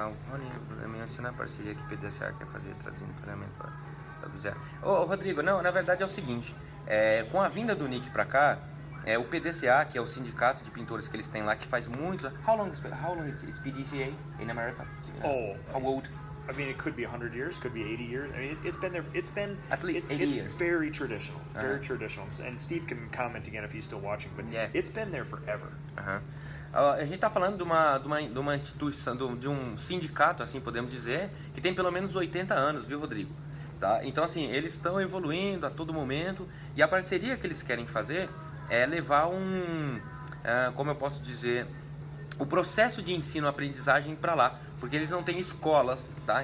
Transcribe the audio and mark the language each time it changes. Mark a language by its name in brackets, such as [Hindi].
[Portuguese] Ronnie, me ensina a parceria que PDSA quer fazer trazendo treinamento para o Zero. Ô, Rodrigo, não, na verdade é o seguinte, com a vinda do Nick para cá, o PDSA, que é o sindicato de pintores que eles têm lá, que faz muitos... [English] How long is PDSA in America? How old? I mean, it could be 100 years, could be 80 years. I mean, it's been there. It's been... At least 80 it's years. It's very traditional. Very traditional. And Steve can comment again if he's still watching, but it's been there forever. [Portuguese] A gente está falando de uma instituição, de um sindicato, assim podemos dizer, que tem pelo menos 80 anos, viu, Rodrigo? Tá? Então, assim, eles estão evoluindo a todo momento e a parceria que eles querem fazer é levar o processo de ensino-aprendizagem para lá, porque eles não têm escolas, tá?